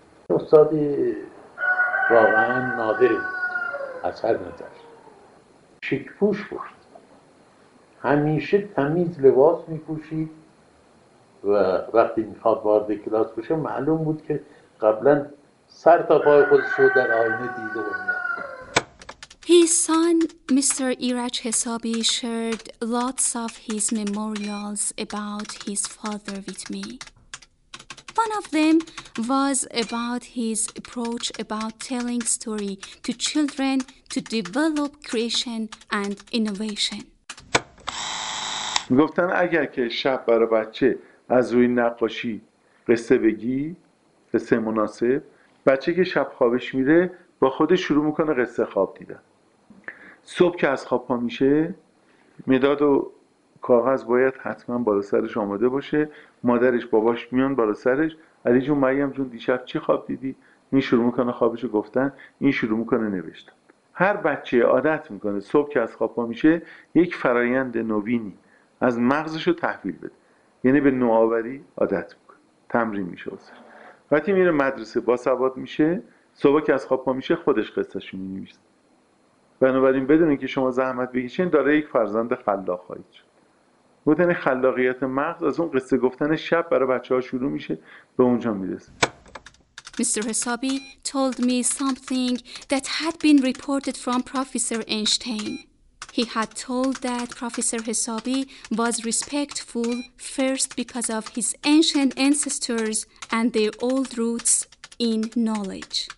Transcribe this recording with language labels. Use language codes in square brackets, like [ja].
[fa] استاد واقعا نادری بود از هر نظر. شیک پوش بود، همیشه تمیز لباس میپوشید و وقتی میخواد وارد کلاس بشه معلوم بود که قبلا سر تا پای خودش رو در آینه دیده و میاد. [en] His son, Mr. Iraj Hesabi, shared lots of his memorials about his father with me. One of them was about his approach about telling story to children to develop creation and innovation. [fa] می گفتن اگر که شب برای بچه از روی نقاشی قصه بگی، قصه مناسب، بچه که شب خوابش میره با خودش شروع میکنه قصه خواب دیدن. صبح که از خواب پا میشه مداد و کاغذ باید حتما بالا سرش آماده باشه، مادرش باباش میان بالا سرش، علی جون مریم جون دیشب چی خواب دیدی؟ این شروع میکنه خوابشو گفتن، این شروع میکنه نوشتن. هر بچه عادت میکنه صبح که از خواب پا میشه یک فرایند نوینی از مغزشو تحویل بده، یعنی به نوآوری عادت میکنه، تمرین میشه واسه. وقتی میره مدرسه باسواد میشه، صبح که از خواب پا میشه خودش قصهشو مینویسه. بنابراین بدونین که شما زحمت بکشین داره یک فرزند خلاق خواهید شد. بودن خلاقیت مغز از اون قصه گفتن شب برای بچه‌ها شروع میشه، به اونجا میرسه. [en] Mr. Hesabi told me something that had been reported from Professor Einstein. He had told that Professor Hesabi was respectful first because of his ancient ancestors and their old roots in knowledge.